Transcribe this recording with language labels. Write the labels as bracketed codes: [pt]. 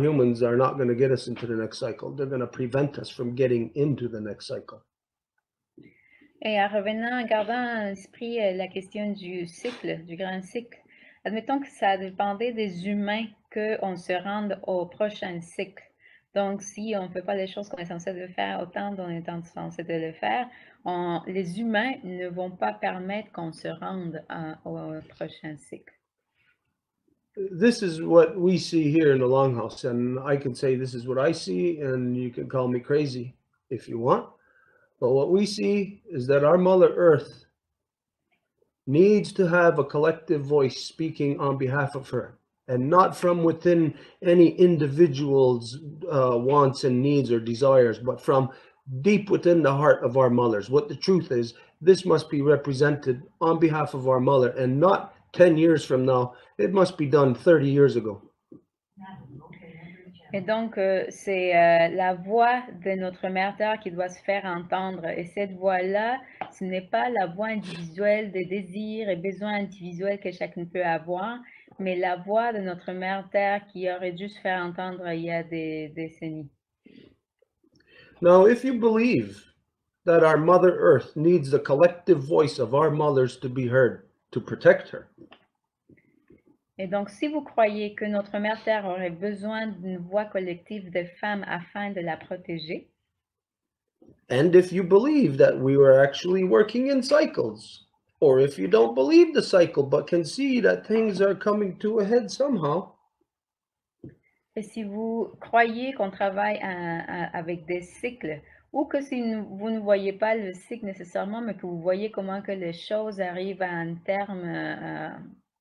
[en] Humans are not going to get us into the next cycle. They're going to prevent us from getting into the next cycle. [fr] Et en revenant, en gardant à l'esprit la question du cycle, du grand cycle, admettons que ça dépendait des humains qu'on se rende au prochain cycle. Donc, si on ne fait pas les choses qu'on est censé faire autant qu'on est censé de le faire, les humains ne vont pas permettre qu'on se rende au prochain cycle. [en] This is what we see here in the Longhouse, and I can say this is what I see, and you can call me crazy if you want. But what we see is that our Mother Earth needs to have a collective voice speaking on behalf of her, and not from within any individual's wants and needs or desires, but from deep within the heart of our mothers. What the truth is, this must be represented on behalf of our mother, and not 10 years from now, it must be done 30 years ago. [fr] Et donc, c'est la voix de notre mère terre qui doit se faire entendre. Et cette voix-là, ce n'est pas la voix individuelle des désirs et besoins individuels que chacun peut avoir, mais la voix de notre mère terre qui aurait dû se faire entendre il y a des décennies. [en] Now, if you believe that our Mother Earth needs the collective voice of our mothers to be heard, to protect her. [fr] Et donc, si vous croyez que notre mère terre aurait besoin d'une voix collective des femmes afin de la protéger. [en] And if you believe that we were actually working in cycles, or if you don't believe the cycle but can see that things are coming to a head somehow. [fr] Et si vous croyez qu'on travaille avec des cycles, ou que si vous ne voyez pas le cycle nécessairement, mais que vous voyez comment que les choses arrivent à un terme,